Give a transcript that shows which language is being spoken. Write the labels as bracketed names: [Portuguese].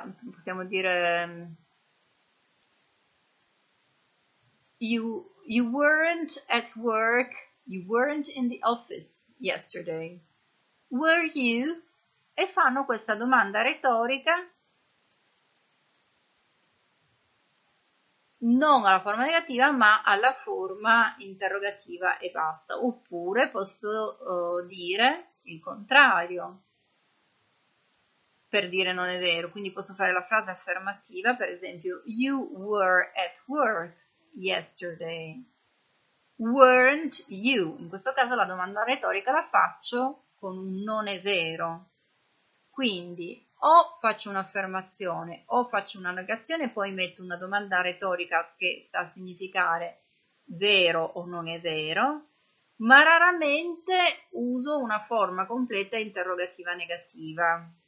[Italian] Possiamo dire: [English] you weren't at work, you weren't in the office yesterday, were you? [Italian] E fanno questa domanda retorica, non alla forma negativa, ma alla forma interrogativa e basta. Oppure posso dire il contrario, per dire non è vero. Quindi posso fare la frase affermativa, per esempio: [English] you were at work yesterday, weren't you? [Italian] In questo caso la domanda retorica la faccio con un non è vero. Quindi o faccio un'affermazione o faccio una negazione, poi metto una domanda retorica che sta a significare vero o non è vero, ma raramente uso una forma completa interrogativa negativa.